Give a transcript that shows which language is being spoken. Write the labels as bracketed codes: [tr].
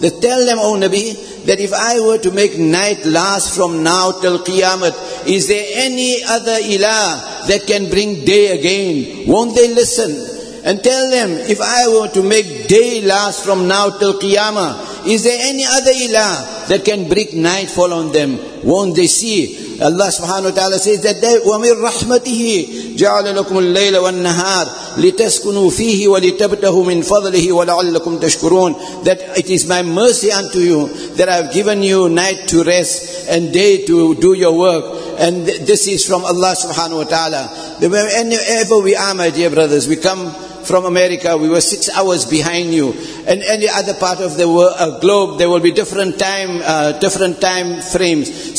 [en] They tell them, O Nabi, that if I were to make night last from now till Qiyamah, is there any other ilah that can bring day again? Won't they listen? And tell them, if I were to make day last from now till Qiyamah, is there any other ilah that can bring nightfall on them? Won't they see? Allah subhanahu wa ta'ala says that they, [ar] وَمِن رَحْمَتِهِ جَعَلَ لَكُمُ اللَّيْلَ وَالنَّهَارِ لِتَسْكُنُوا فِيهِ وَلِتَبْتَهُ مِنْ فَضْلِهِ وَلَعَلَّكُمْ تَشْكُرُونَ. [en] That it is my mercy unto you that I have given you night to rest and day to do your work. And this is from Allah subhanahu wa ta'ala. Wherever we are, my dear brothers, we come from America, we were 6 hours behind you. And any other part of the world, globe, there will be different time frames.